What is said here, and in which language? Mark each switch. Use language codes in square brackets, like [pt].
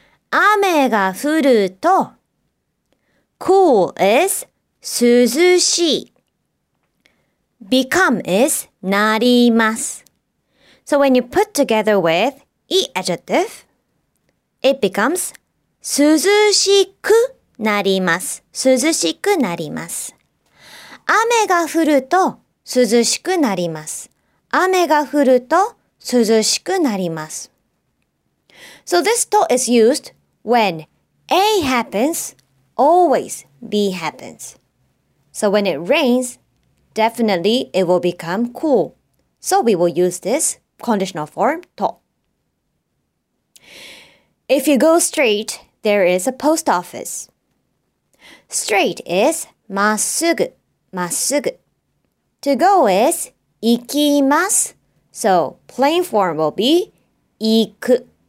[ja] 雨が降ると. [en] Cool is [ja] 涼しい. [en] Become is なります. So when you put together with い adjective, it becomes [ja] 涼しくなります. 涼しくなります. 雨が降ると涼しくなります.雨が降ると涼しくなります. [en] So this と is used when A happens, always B happens. So when it rains, definitely, it will become cool. So we will use this conditional form, to. If you go straight, there is a post office. Straight is まっすぐ, まっすぐ. To go is 行きます. So plain form will be 行く.